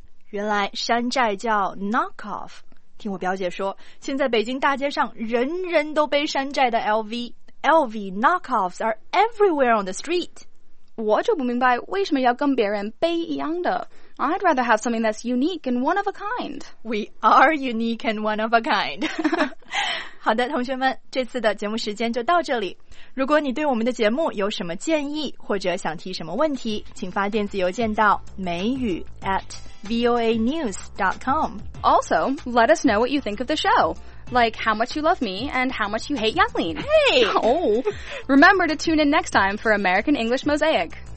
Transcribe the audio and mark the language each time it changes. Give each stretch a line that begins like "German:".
Chinese: 原来山寨叫 knock off， 听我表姐说，现在北京大街上人人都背山寨的 LV
English: knock offs are everywhere on the street。
Chinese: 我就不明白为什么要跟别人背一样的。
English: I'd rather have something that's unique and one of a kind。 We are unique and one of a kind。
Chinese: 好的，同学们，这次的节目时间就到这里。如果你对我们的节目有什么建议或者想提什么问题，请发电子邮件到美语 @voanews.com.
English: Also, let us know what you think of the show, like how much you love me and how much you hate Yanglin. Hey! Oh! Remember to tune in next time for American English Mosaic.